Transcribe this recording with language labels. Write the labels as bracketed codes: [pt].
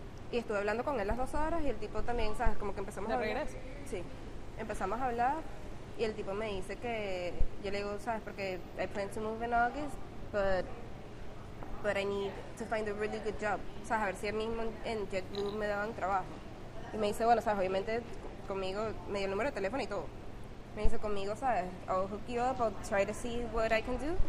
[es] Y estuve hablando con él las 2 horas y el tipo también, ¿sabes? Como que empezamos de a hablar. ¿De regreso? Sí, empezamos a hablar y el tipo me dice que, yo le digo, ¿sabes? Porque [en] I plan to move in August, but I need to find a really good job. [es] O sea, a ver si él mismo en JetBlue me daban trabajo. Y me dice, bueno, ¿sabes? Obviamente conmigo, me dio el número de teléfono y todo. Me dice conmigo, ¿sabes? [en] I'll hook you up, I'll try to see what I can do.